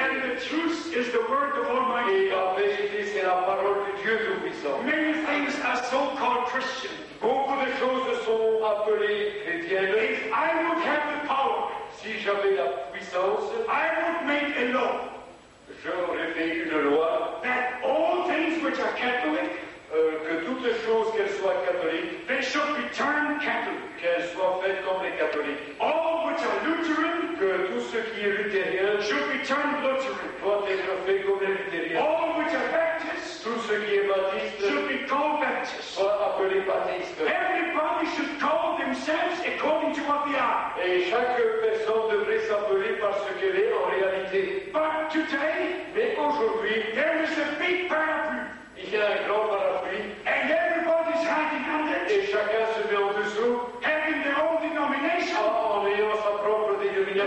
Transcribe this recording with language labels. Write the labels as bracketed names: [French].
[English] And the truth is the word of Almighty. [French] Et la vérité, c'est la parole de Dieu tout puissant. [English] Many things are so called Christian. [French] Beaucoup de choses sont appelées chrétiennes. [English] If I would have the power, [French] si j'avais la puissance, [English] I would make a law. [French] J'aurais fait une loi. [English] That all things which are Catholic, [French] que toutes les choses qu'elles soient catholiques, [English] they should be turned Catholic. [French] Qu'elles soient faites comme les catholiques. [English] All which are Lutheran, [French] que tout ce qui est luthérien, [English] should be turned Lutheran. [French] Doit être fait comme les luthériens. [English] All which are Baptist, [French] tout ce qui est baptiste, [English] should be called Baptist. [French] Soit appelé baptiste. [English] Everybody should call themselves according to what they are. [French] Et chaque personne devrait s'appeler par ce qu'elle est en réalité. [English] today, [French] mais aujourd'hui, [English] there is a big parapluie. [French] Il y a un grand parapluie. [English] And everybody's hiding under it. [French] Et chacun se met en dessous. [English] Having their own denomination. [French] En ayant sa propre dénomination.